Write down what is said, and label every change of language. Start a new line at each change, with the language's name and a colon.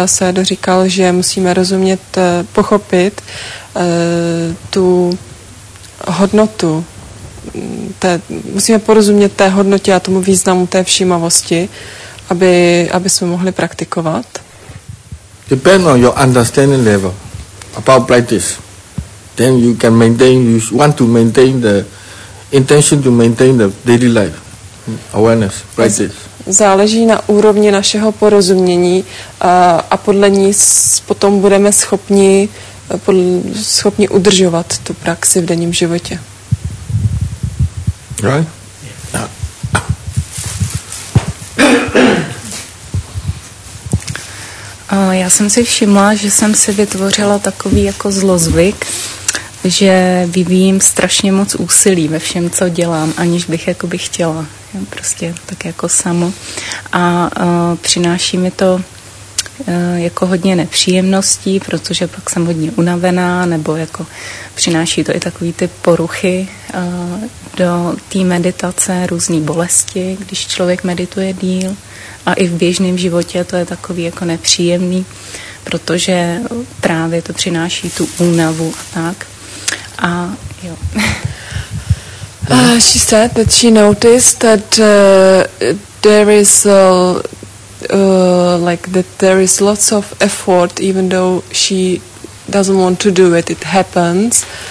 Czech: Se doříkal, že musíme rozumět, pochopit tu hodnotu, musíme porozumět té hodnotě a tomu významu té všímavosti, aby jsme mohli praktikovat.
English: Depend on your understanding level about practice. Then you can maintain, you want to maintain the intention to maintain the daily life, awareness, practice.
Czech: Záleží na úrovni našeho porozumění a podle ní potom budeme schopni udržovat tu praxi v denním životě.
English: Right?
Czech: Já jsem si všimla, že jsem si vytvořila takový jako zlozvyk, že vyvíjím strašně moc úsilí ve všem, co dělám, aniž bych jakoby chtěla. Já prostě tak jako samo. A přináší mi to jako hodně nepříjemností, protože pak jsem hodně unavená, nebo jako přináší to i takový ty poruchy do té meditace, různý bolesti, když člověk medituje díl. A i v běžném životě to je takový jako nepříjemný, protože právě to přináší tu únavu a tak. A jo.
English: She said that she noticed that there is lots of effort, even though she doesn't want to do it. It happens.